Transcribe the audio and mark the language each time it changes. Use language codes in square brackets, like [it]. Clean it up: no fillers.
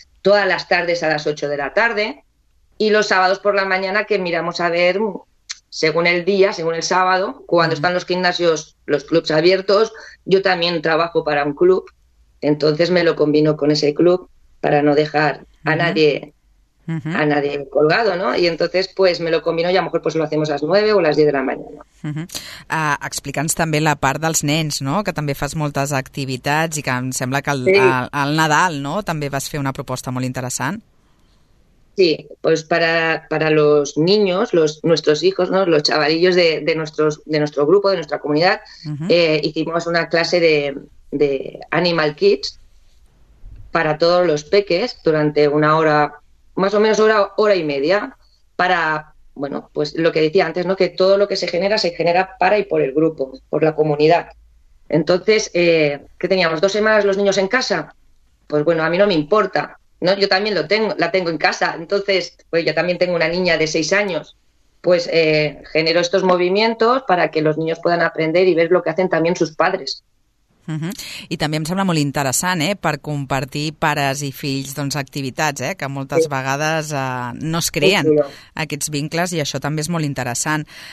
[es] Todas las tardes a las 8 de la tarde. Y los sábados por la mañana que miramos a ver, según el día, según el sábado, cuando están los gimnasios, los clubs abiertos, yo también trabajo para un club, entonces me lo combino con ese club para no dejar a nadie colgado, ¿no? Y entonces pues me lo combino y a lo mejor pues lo hacemos a las 9 o a las 10 de la mañana. [ca] Explica'ns també la part dels nens, no?, que també fas moltes activitats i que em sembla que al Nadal, no?, també vas fer una proposta molt interessant. [es] Sí, pues para los niños, nuestros hijos, ¿no?, los chavalillos de nuestro grupo, de nuestra comunidad, hicimos una clase de Animal Kids para todos los peques durante una hora, más o menos hora y media, para, bueno, pues lo que decía antes, ¿no?, que todo lo que se genera para y por el grupo, por la comunidad. Entonces, ¿qué teníamos? ¿Dos semanas los niños en casa? Pues bueno, a mí no me importa. No, yo también la tengo en casa, entonces pues yo también tengo una niña de 6 años, pues genero estos movimientos para que los niños puedan aprender y ver lo que hacen también sus padres. Uh-huh. [ca] I també em sembla molt interessant, per compartir pares i fills, doncs, activitats, que moltes vegades no es creen aquests vincles, i això també és molt interessant.